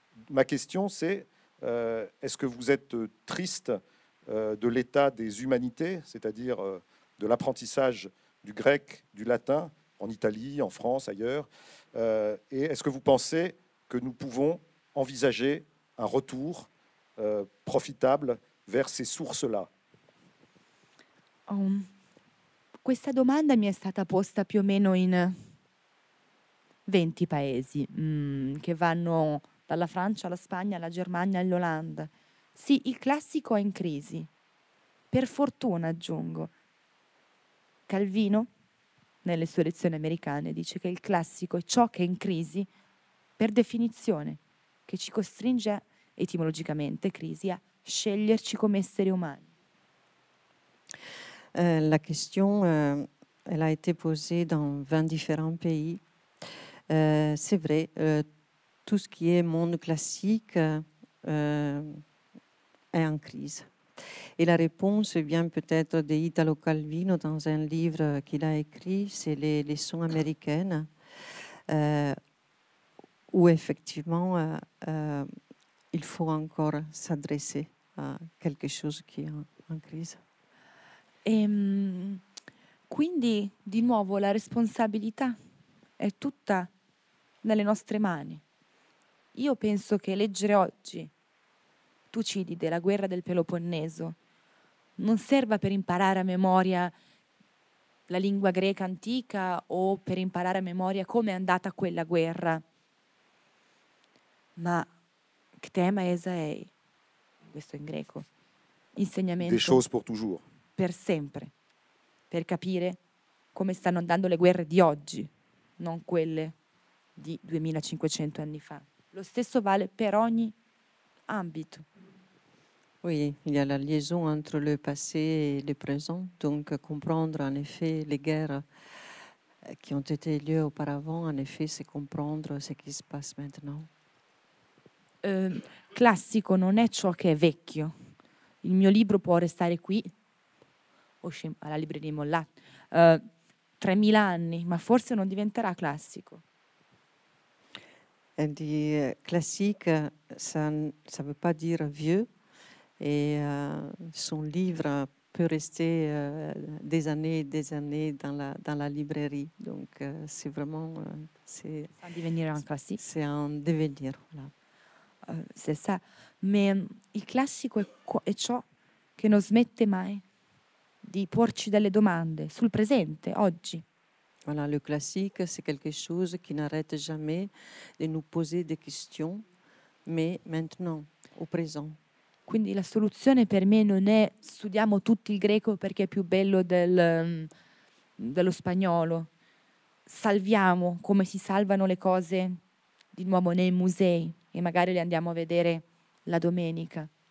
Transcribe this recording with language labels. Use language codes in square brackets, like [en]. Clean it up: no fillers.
[fr] Ma question, c'est, est-ce que vous êtes triste de l'état des humanités, c'est-à-dire de l'apprentissage du grec, du latin, en Italie, en France, ailleurs, et est-ce que vous pensez que nous pouvons envisager un retour profitable vers ces sources-là? [it] Questa domanda mi è stata posta più o meno in 20 paesi che vanno dalla Francia alla Spagna, alla Germania e all'Olanda. Sì, il classico è in crisi. Per fortuna, aggiungo. Calvino, nelle sue lezioni americane, dice che il classico è ciò che è in crisi per definizione, che ci costringe etimologicamente, crisi, a sceglierci come esseri umani. [fr] La question elle a été posée dans 20 différents pays. C'est vrai, tout ce qui est monde classique est en crise. Et la réponse vient peut-être d'Italo Calvino dans un livre qu'il a écrit, c'est les leçons américaines, où effectivement, il faut encore s'adresser à quelque chose qui est en crise. [it] Quindi, di nuovo, la responsabilità è tutta nelle nostre mani. Io penso che leggere oggi Tucidide, la guerra del Peloponneso, non serva per imparare a memoria la lingua greca antica o per imparare a memoria come è andata quella guerra, ma Ktema esaei, questo in greco, insegnamento. [fr] Des choses pour toujours. [it] Per sempre, per capire come stanno andando le guerre di oggi, non quelle di 2500 anni fa. Lo stesso vale per ogni ambito. [fr] Oui, il y a la liaison entre le passé et le présent, donc comprendre en effet les guerres qui ont été lieu auparavant, en effet, c'est comprendre ce qui se passe maintenant. [it] Classico non è ciò che è vecchio. Il mio libro può restare qui, alla libreria Mollà, 3000 anni, ma forse non diventerà classico. [fr] Et dit classique, ça ne veut pas dire vieux. Et son livre peut rester des années et des années dans la librairie. Donc c'est vraiment... C'est un devenir, un classique. C'est un devenir, voilà. C'est ça. [it] Mais il classico è ciò che non smette mai di porci delle domande sul presente, oggi. [fr] Voilà, le classique, c'est quelque chose qui n'arrête jamais de nous poser des questions, mais maintenant, au présent. [it] Quindi la soluzione per me non è studiamo tutto il greco perché è più bello dello spagnolo. Salviamo come si salvano le cose di nuovo nei musei e magari le andiamo a vedere la domenica.